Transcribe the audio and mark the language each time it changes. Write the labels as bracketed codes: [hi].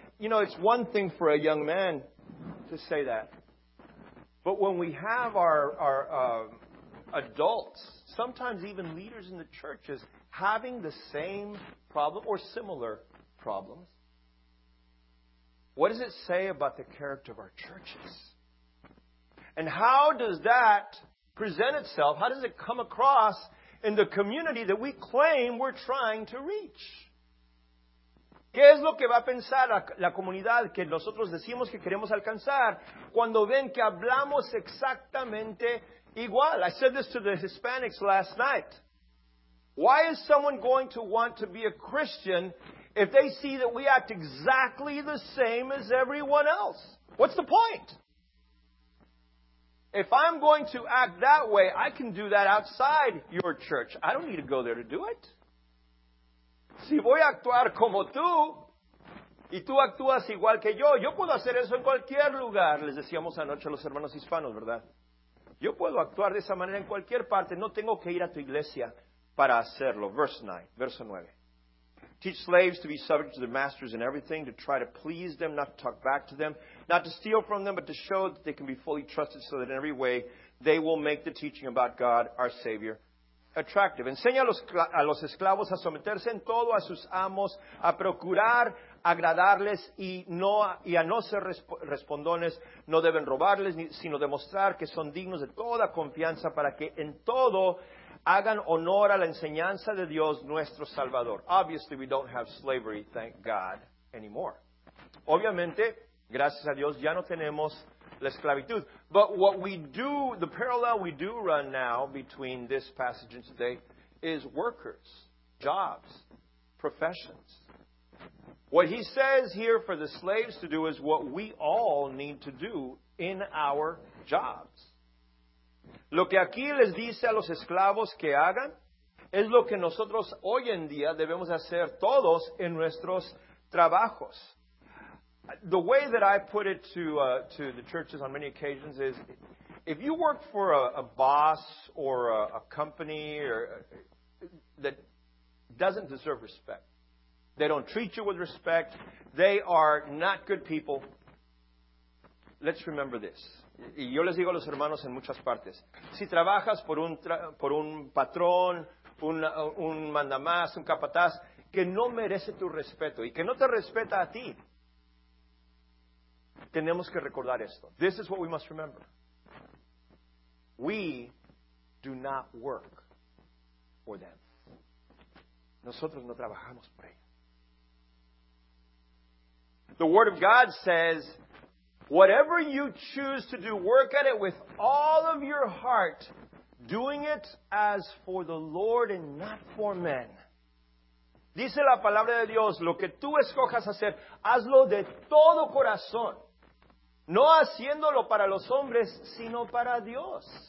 [en] You know, it's one thing for a young man to say that. But when we have our adults, sometimes even leaders in the churches, having the same problem or similar problems, what does it say about the character of our churches? And how does that present itself? How does it come across in the community that we claim we're trying to reach? [es] ¿Qué es lo que va a pensar la comunidad que nosotros decimos que queremos alcanzar cuando ven que hablamos exactamente igual? [en] I said this to the Hispanics last night. Why is someone going to want to be a Christian if they see that we act exactly the same as everyone else? What's the point? If I'm going to act that way, I can do that outside your church. I don't need to go there to do it. [es] Si voy a actuar como tú, y tú actúas igual que yo, yo puedo hacer eso en cualquier lugar. Les decíamos anoche a los hermanos hispanos, ¿verdad? Yo puedo actuar de esa manera en cualquier parte. No tengo que ir a tu iglesia para hacerlo. Verso 9. [en] Teach slaves to be subject to their masters in everything, to try to please them, not to talk back to them, not to steal from them, but to show that they can be fully trusted so that in every way they will make the teaching about God, our Savior, attractive. [es] Enseña a los esclavos a someterse en todo a sus amos, a procurar agradarles y a no ser respondones. No deben robarles, sino demostrar que son dignos de toda confianza para que en todo hagan honor a la enseñanza de Dios nuestro Salvador. [en] Obviously, we don't have slavery, thank God, anymore. [es] Obviamente, gracias a Dios, ya no tenemos la esclavitud. [en] But what we do, the parallel we do run now between this passage and today is workers, jobs, professions. What he says here for the slaves to do is what we all need to do in our jobs. [es] Lo que aquí les dice a los esclavos que hagan es lo que nosotros hoy en día debemos hacer todos en nuestros trabajos. [en] The way that I put it to the churches on many occasions is, if you work for a boss or a company that doesn't deserve respect, they don't treat you with respect, they are not good people, let's remember this. [es] Y yo les digo a los hermanos en muchas partes, si trabajas por un patrón, un mandamás, un capataz, que no merece tu respeto y que no te respeta a ti, tenemos que recordar esto. [en] This is what we must remember. We do not work for them. [es] Nosotros no trabajamos por ellos. [en] The Word of God says, whatever you choose to do, work at it with all of your heart, doing it as for the Lord and not for men. [es] Dice la palabra de Dios, lo que tú escojas hacer, hazlo de todo corazón, no haciéndolo para los hombres, sino para Dios.